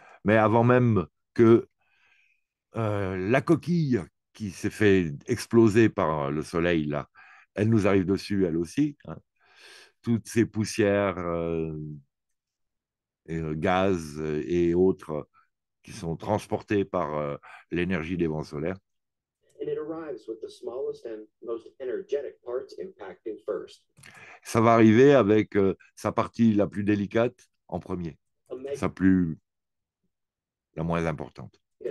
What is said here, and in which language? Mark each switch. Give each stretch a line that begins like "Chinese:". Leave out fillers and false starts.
French: Mais avant même que la coquille qui s'est fait exploser par le soleil, là, elle nous arrive dessus, elle aussi. Hein. Toutes ces poussières, gaz et autres qui sont transportées par l'énergie des vents solaires.
English: And it arrives with the smallest and most energetic parts impacting first.
French: Ça va arriver avec sa partie la plus délicate en premier, la moins importante.